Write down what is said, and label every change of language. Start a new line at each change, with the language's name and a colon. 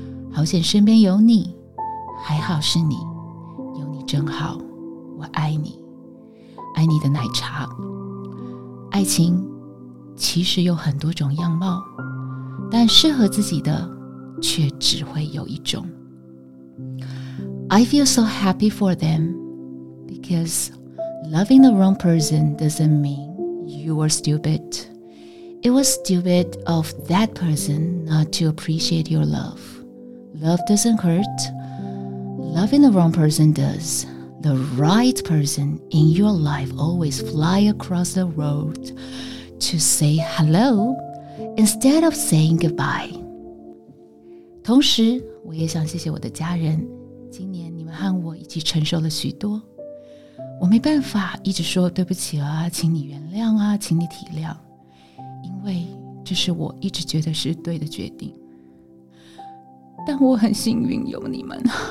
Chinese: 好险身边有你，还好是你，有你真好，我爱你，爱你的奶茶。爱情其实有很多种样貌，但适合自己的却只会有一种。
English: I feel so happy for them, because loving the wrong person doesn't mean you are stupidIt was stupid of that person not to appreciate your love. Love doesn't hurt. Loving the wrong person does. The right person in your life always fly across the road to say hello instead of saying goodbye.
Chinese: 同时，我也想谢谢我的家人。今年你们和我一起承受了许多。我没办法一直说对不起啊，请你原谅啊，请你体谅。因为这是我一直觉得是对的决定，但我很幸运有你们。